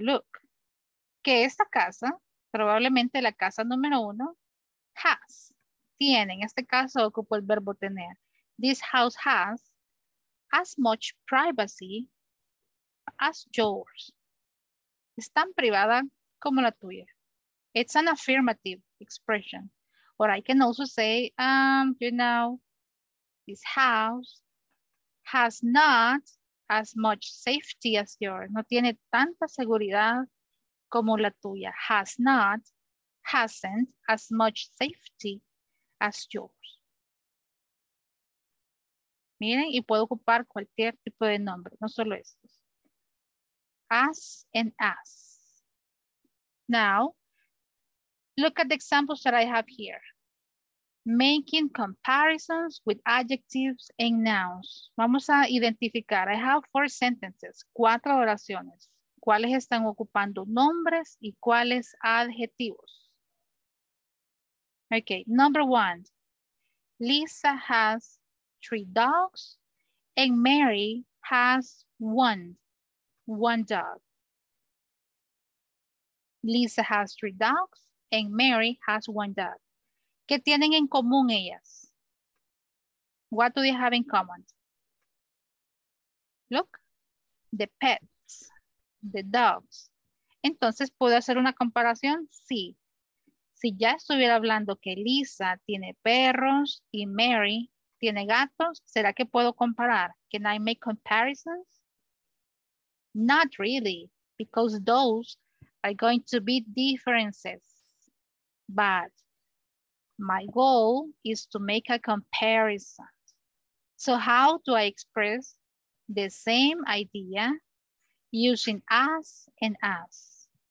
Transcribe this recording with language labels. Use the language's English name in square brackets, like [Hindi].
[Spanish] Look, que esta casa, probablemente la casa número uno, has, tiene, en este caso ocupo el verbo tener. [English] This house has as much privacy as yours. [Spanish] Es tan privada como la tuya. [English] It's an affirmative expression. Or I can also say, you know, this house has not as much safety as yours. [Spanish] No tiene tanta seguridad como la tuya. [English] Has not, hasn't as much safety as yours. [Spanish] Miren, y puedo ocupar cualquier tipo de nombre, no solo estos. [English] As and as. Now, look at the examples that I have here. Making comparisons with adjectives and nouns. [Spanish] Vamos a identificar. [English] I have four sentences, [Spanish] cuatro oraciones. ¿Cuáles están ocupando nombres y cuáles adjetivos? [English] Okay, number one. Lisa has three dogs and Mary has one dog. Lisa has three dogs and Mary has one dog. [Spanish] ¿Qué tienen en común ellas? [English] What do they have in common? Look, the pets, the dogs. [Spanish] Entonces, ¿puedo hacer una comparación? Sí. Si ya estuviera hablando que Lisa tiene perros y Mary tiene gatos, ¿será que puedo comparar? [English] Can I make comparisons? Not really, because those are going to be differences. But my goal is to make a comparison. So how do I express the same idea using as and as?